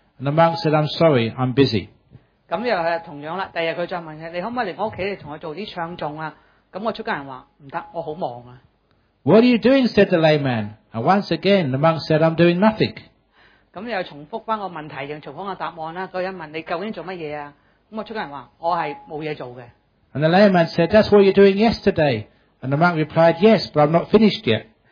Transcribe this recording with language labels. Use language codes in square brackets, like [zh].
[en] And the monk said, I'm sorry, I'm busy. [zh] 同樣,第二天他再問,你可不可以來我家跟我做一些唱頌?那個出家人說,不行,我很忙。 [en] What are you doing? Said the layman. And once again, the monk said, I'm doing nothing. [zh] 又重複問題,重複答案,那個人問,你究竟做什麼? 那個出家人說,我是沒有工作的。 [en] And the layman said, that's what you're doing yesterday. And the monk replied, yes, but I'm not finished yet.